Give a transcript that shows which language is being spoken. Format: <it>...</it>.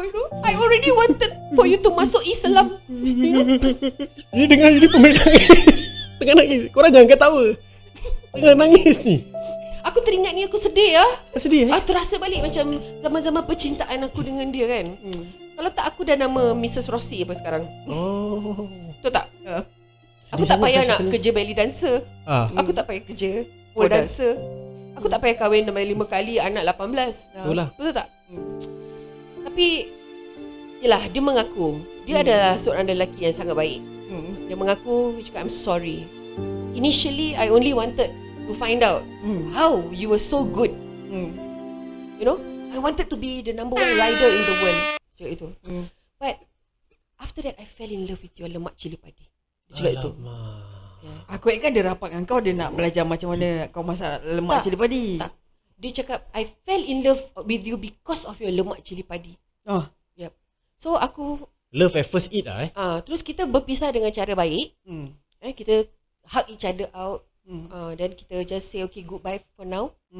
<en>You know, I already wanted for you to</en> <ms>masuk Islam.</ms> <en>You know?</en> <ms>Ini dengar ini pemain nangis. Tengah nangis. Korang jangan ketawa. Tengah nangis ni. Aku teringat ni aku sedih ya. Sedih. Aku terasa balik macam zaman-zaman percintaan aku dengan dia kan. Kalau tak aku dah nama Mrs. Rossi apa sekarang. Oh. Tahu tak? Aku tak payah nak kerja belly dancer. Aku tak payah kerja. Oh, dancer. Aku tak payah kahwin dengan 5 kali anak 18. Betul tak? Tapi yalah, dia mengaku dia adalah seorang lelaki yang sangat baik. Dia mengaku, dia cakap,</ms> <en>I'm sorry. Initially I only wanted to find out how you were so good. You know, I wanted to be the number one rider in the world.</en> <ms>Cakap itu.</ms> <en>But after that I fell in love with your lemak cili padi.</en> <ms>Cakap itu.</ms> <en>Yes.</en> <ms>Aku ingatkan dia rapat dengan kau, dia nak belajar macam mana kau masak lemak cili padi. Tak. Dia cakap,</ms> <en>I fell in love with you because of your lemak cili padi. Oh. Yep. So aku love at first eat lah.</en> <ms>Terus kita berpisah dengan cara baik.</ms> <en>Kita hug each other out. Then kita just say okay, goodbye for now.</en>